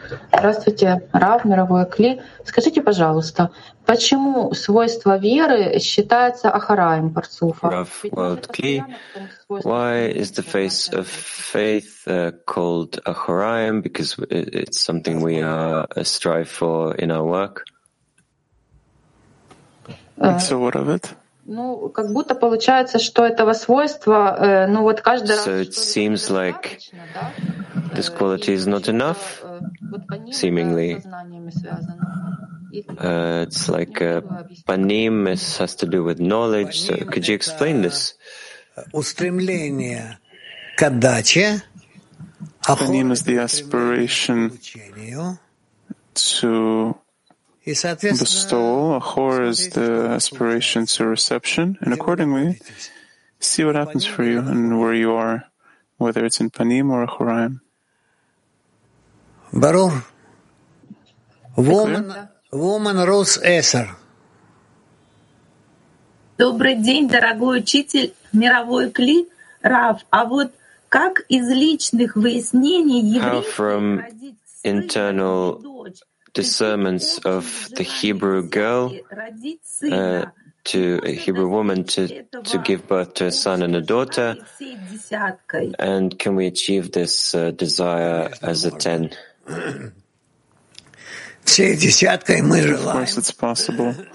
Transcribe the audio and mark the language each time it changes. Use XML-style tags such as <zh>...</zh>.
<ru>Здравствуйте, Рав, мировой Кли. Скажите, пожалуйста, почему свойство веры считается ахараем парцуфа?</ru> <en>Рав, world Кли, why is the face of faith called ахараем? Because it's something we strive for in our work. And so what of it?</en> <ru>Ну, как будто получается, что этого свойства, ну вот каждый раз.</ru> <en>So it seems like this quality is not enough. Seemingly, it's like panim has to do with knowledge. So could you explain this?</en> <ru>Устремление к отдаче.</ru> <en>Panim is the aspiration to bestow. Ahor is the aspiration to reception. And accordingly, see what happens for you and where you are, whether it's in panim or ahoraim. Barur. Woman Rose Esser.</en> <ru>Добрый день, дорогой учитель, мировой кли, Рав. А вот как из личных выяснений евреев родить сына и дочь?</ru> <en>Discernments of the Hebrew girl to a Hebrew woman to give birth to a son and a daughter, and can we achieve this desire as a 10? course, it's possible.</en>